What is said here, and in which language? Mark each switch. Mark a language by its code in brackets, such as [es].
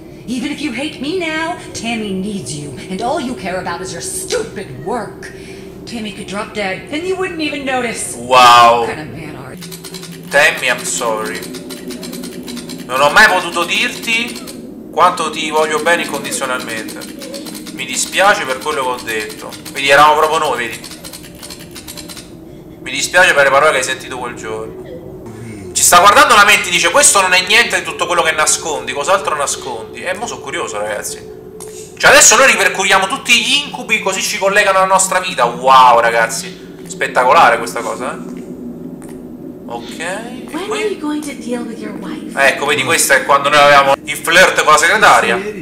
[en] Even if you hate me now, Tammy needs you, and all you care about is your stupid work. Timmy could drop dead, and you wouldn't even notice. Wow. What kind of man are you? Timmy, I'm sorry. [it] Non ho mai potuto dirti quanto ti voglio bene incondizionalmente. Mi dispiace per quello che ho detto. Vedi, eravamo proprio noi, vedi. Mi dispiace per le parole che hai sentito quel giorno. Ci sta guardando la mente e dice: questo non è niente di tutto quello che nascondi. Cos'altro nascondi? Mo sono curioso, ragazzi. Cioè, adesso noi ripercorriamo tutti gli incubi, così ci collegano alla nostra vita. Wow, ragazzi. Spettacolare questa cosa, eh. Ok. [en] When are you going to deal with your wife? [it] Ecco, vedi, questa è quando noi avevamo il flirt con la segretaria.